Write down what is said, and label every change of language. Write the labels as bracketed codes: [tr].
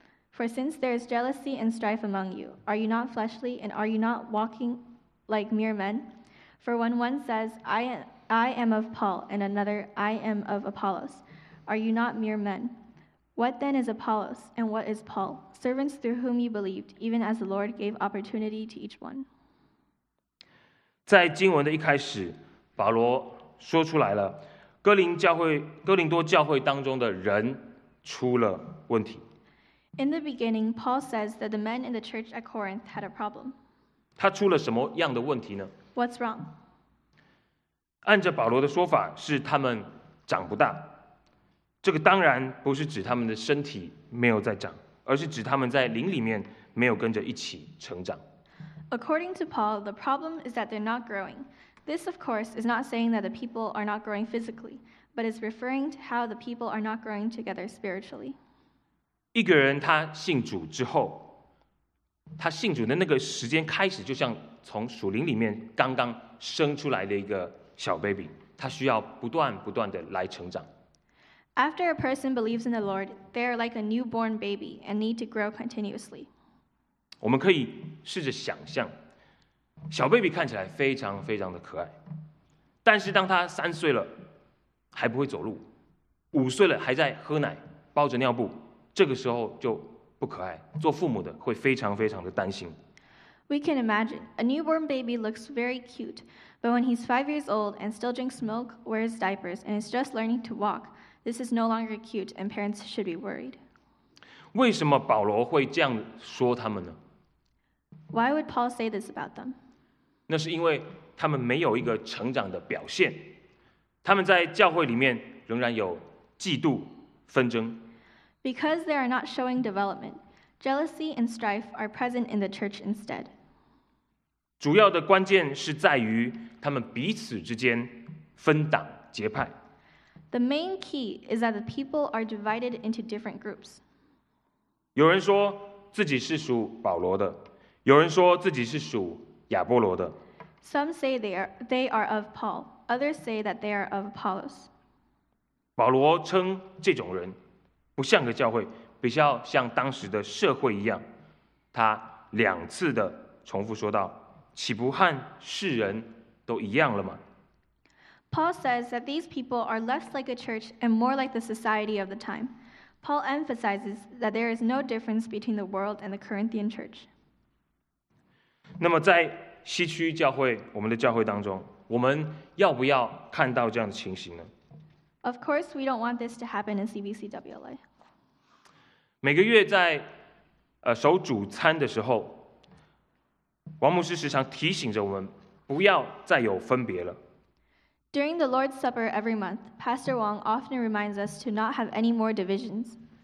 [en] For since there is jealousy and strife among you, are you not fleshly, and are you not walking like mere men? For when one says, I am of Paul, and another, I am of Apollos, are you not mere men? What then is Apollos, and what is Paul? Servants through whom you believed, even as the Lord gave opportunity to each one. [zh] 在经文的一开始，保罗说出来了，哥林多教会当中的人出了问题。 [en] In the beginning, Paul says that the men in the church at Corinth had a problem. [zh] 他出了什么样的问题呢？ [en] What's wrong? [zh] 按着保罗的说法，是他们长不大。这个当然不是指他们的身体没有在长，而是指他们在灵里面没有跟着一起成长。 [en] According to Paul, the problem is that they're not growing. This, of course, is not saying that the people are not growing physically, but is referring to how the people are not growing together spiritually. [zh] 一个人他信主之后，他信主的那个时间开始，就像从属灵里面刚刚生出来的一个小 baby， 他需要不断不断的来成长。 [en] After a person believes in the Lord, they are like a newborn baby and need to grow continuously. [zh] 我们可以试着想象，小 baby 看起来非常非常的可爱，但是当他三岁了还不会走路，五岁了还在喝奶包着尿布，这个时候就不可爱，做父母的会非常非常的担心。 [en] We can imagine, a newborn baby looks very cute, but when he's 5 years old and still drinks milk, wears diapers, and is just learning to walk,This is no longer cute, and parents should be worried. [zh] 为什么保罗会这样说他们呢？ [en] Why would Paul say this about them? [zh] 那是因为他们没有一个成长的表现，他们在教会里面仍然有嫉妒纷争。 [en] Because they are not showing development, jealousy and strife are present in the church instead. [zh] 主要的关键是在于他们彼此之间分党结派。 [en] The main key is that the people are divided into different groups. [zh] 有人说自己是属保罗的，有人说自己是属亚波罗的。 [en] Some say they are of Paul. Others say that they are of Apollos. [zh] 保罗称这种人不像个教会，比较像当时的社会一样。他两次的重复说道：“岂不和世人都一样了吗？” [en] Paul says that these people are less like a church and more like the society of the time. Paul emphasizes that there is no difference between the world and the Corinthian church. [zh] 那么在西区教会，我们的教会当中，我们要不要看到这样的情形呢？ [en] Of course, we don't want this to happen in CBC WLA. [zh] 每个月在守主餐的时候，王牧师时常提醒着我们，不要再有分别了。 [en] During the Lord's Supper every month, Pastor Wong often reminds us to not have any more divisions.